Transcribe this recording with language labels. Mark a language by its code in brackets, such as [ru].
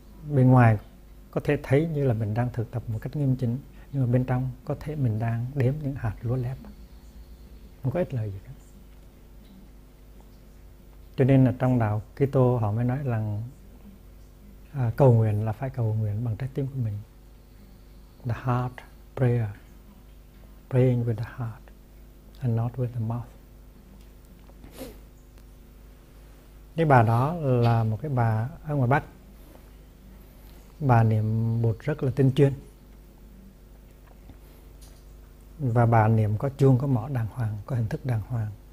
[vi] Bên ngoài có thể thấy như là mình đang thực tập một cách nghiêm chỉnh, nhưng mà bên trong có thể mình đang đếm những hạt lúa lép, không có ích lợi gì cả. Cho nên là trong đạo Kitô họ mới nói rằng cầu nguyện là phải cầu nguyện bằng trái tim của mình. [en] The heart prayer, praying with the heart and not with the mouth. [vi] Cái bà đó là một cái bà ở ngoài Bắc. Bà niệm Bụt rất là tinh chuyên. Và bà niệm có chuông, có mõ đàng hoàng, có hình thức đàng hoàng.